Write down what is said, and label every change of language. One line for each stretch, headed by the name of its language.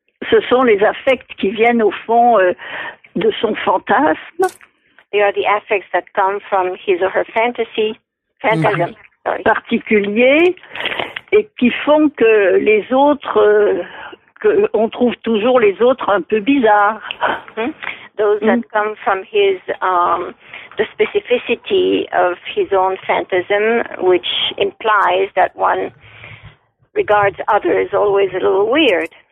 French: Ce sont les affects qui viennent au fond de son fantasme.
English: They are the affects that come from his or her fantasy. Mm-hmm.
French: Particulier et qui font que les autres, qu'on trouve toujours les autres un peu bizarres. Mm-hmm.
English: Those that come from his, the specificity of his own phantasm, which implies that one regards others always a little weird.